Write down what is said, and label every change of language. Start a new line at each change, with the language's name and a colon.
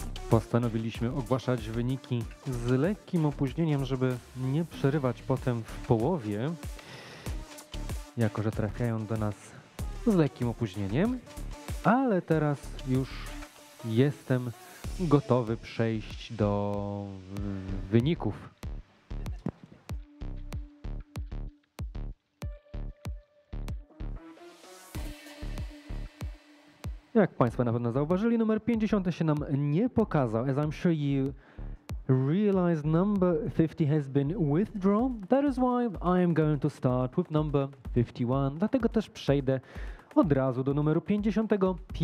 Polish: Postanowiliśmy ogłaszać wyniki z lekkim opóźnieniem, żeby nie przerywać potem w połowie, jako że trafiają do nas z lekkim opóźnieniem, ale teraz już jestem gotowy przejść do wyników. Jak Państwo na pewno zauważyli, numer 50 się nam nie pokazał.
English: As I'm sure you realize, number 50 has been withdrawn. That is why I am going to start with number 51.
Polish: Dlatego też przejdę od razu do numeru 51.